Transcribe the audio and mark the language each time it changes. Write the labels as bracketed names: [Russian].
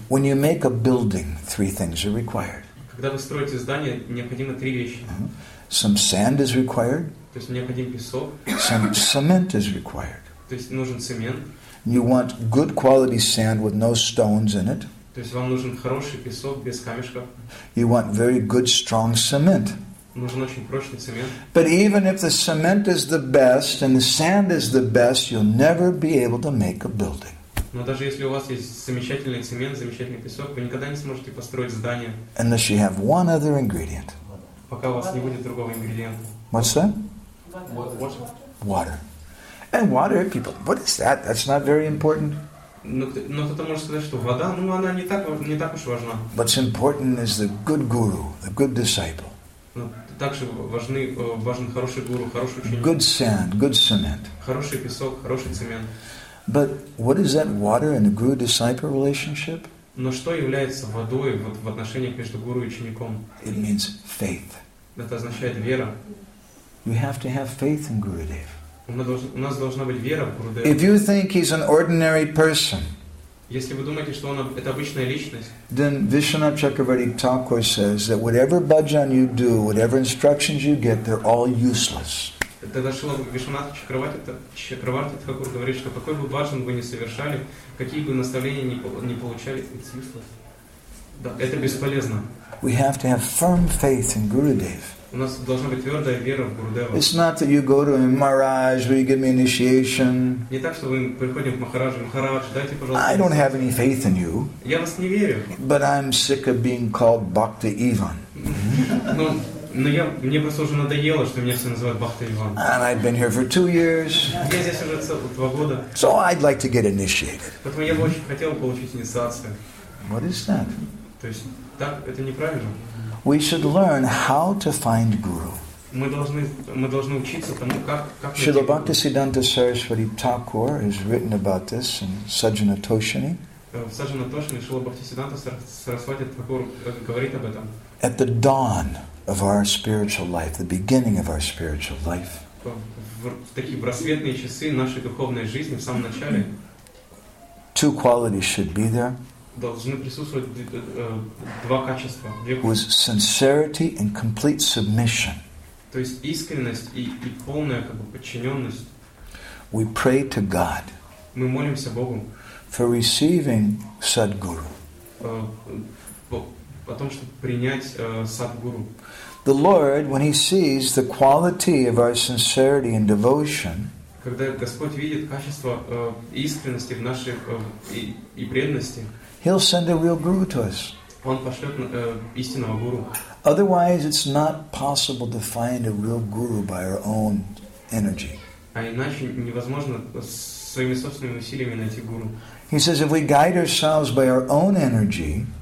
[English] When you make a building, three things are required. [Russian] Когда вы строите здание, необходимо три вещи. [English] Some sand is required. [Russian] То есть необходим песок. [English] Some cement is required. [Russian] То есть нужен цемент. [English] You want good quality sand with no stones in it. [Russian] То есть вам нужен хороший песок без камешков. [English] You want very good strong cement. [Russian] Нужен очень прочный цемент. [English] But even if the cement is the best and the sand is the best, you'll never be able to make a building. [Russian] Но даже если у вас есть замечательный цемент, замечательный песок, вы никогда не сможете построить здание. [English] Unless you have one other ingredient. [Russian] Пока у вас не будет другого ингредиента. [English] What's that? Water. And water, people, what is that? That's not very important. [Russian] Но кто-то может сказать, что вода, ну она не так уж важна. [English] What's important is the good guru, the good disciple. [Russian] Также важен хороший гуру, хороший ученик. [English] Good sand, good cement. [Russian] Хороший песок, хороший цемент. [English] But what is that water and the guru-disciple relationship? [Russian] Но что является водой в отношениях между гуру и учеником? [English] It means faith. [Russian] Это означает вера. [English] You have to have faith in Gurudev. [Russian] У нас должна быть вера в Гурудева. [English] If you think he's an ordinary person, [Russian] если вы думаете, что он это обычная личность, [English] then Vishwanath Chakravarti Thakur says that whatever bhajan you do, whatever instructions you get, they're all useless. [Russian] Тогда Шрила Вишванатха Чакраварти Тхакур говорит, что какой бы бхаджан вы ни совершали, какие бы наставления ни получали, [English] it's useless. [Russian] Да, это бесполезно. [English] We have to have firm faith in Gurudev. [Russian] У нас должна быть твердая вера в Гурудева. [English] It's not that you go to a Maharaj, will you give me initiation? [Russian] Не так, что вы приходите к Махараджу, Махарадж, дайте, пожалуйста. [English] I don't have any faith in you. [Russian] Я вас не верю. [English] But I'm sick of being called Bhakti Ivan. [Russian] Мне просто уже надоело, что меня все называют Бхакти Иван. [English] And I've been here for 2 years. [Russian] Я здесь уже целых 2 года. [English] So I'd like to get initiated. [Russian] Поэтому я бы очень хотел получить инициацию. [English] What is that? [Russian] То есть, так, это неправильно. [English] We should learn how to find Guru. [Russian] Мы должны учиться тому, как найти. [English] Srila Bhaktisiddhanta Sarasvati Thakur has written about this in Sajjana Toshini. [Russian] В Саджана Тошини Шрила Бхактисиддханта Сарасвати Такур говорит об этом. [English] At the dawn of our spiritual life, the beginning of our spiritual life. [Russian] В такие рассветные часы нашей духовной жизни, в самом начале. [English] Two qualities should be there. [Russian] Должны присутствовать два качества. [English] With sincerity and complete submission. [Russian] То есть искренность и полная как бы подчиненность. [English] We pray to God. [Russian] Мы молимся Богу. [English] For receiving Sadguru. [Russian] Потому что принять Садгуру. [English] The Lord, when He sees the quality of our sincerity and devotion. [Russian] Когда Господь видит качество искренности в наших и преданности. [English] He'll send a real guru to us. [Russian] Он пошлет истинного гуру. [English] Otherwise, it's not possible to find a real guru by our own energy. [Russian] А иначе невозможно своими собственными усилиями найти гуру. [English] He says, if we guide ourselves by our own energy,